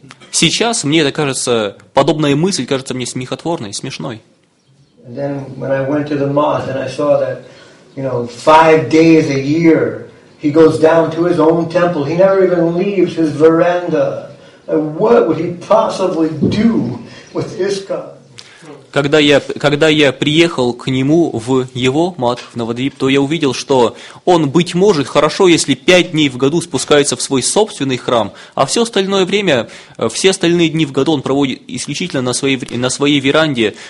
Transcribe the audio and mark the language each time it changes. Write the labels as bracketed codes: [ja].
[ru] Сейчас мне это кажется, подобная мысль кажется мне смехотворной, смешной. [en] And then when I went to the mosque and I saw that, you know, 5 days a year he goes down to his own temple. He never even leaves his veranda. And what would he possibly do with ISKCON? [ru] Когда я приехал к нему в его мат, в Навадвип, то я увидел, что он, быть может, хорошо, если 5 дней в году спускается в свой собственный храм, а все остальное время, все остальные дни в году он проводит исключительно на своей веранде.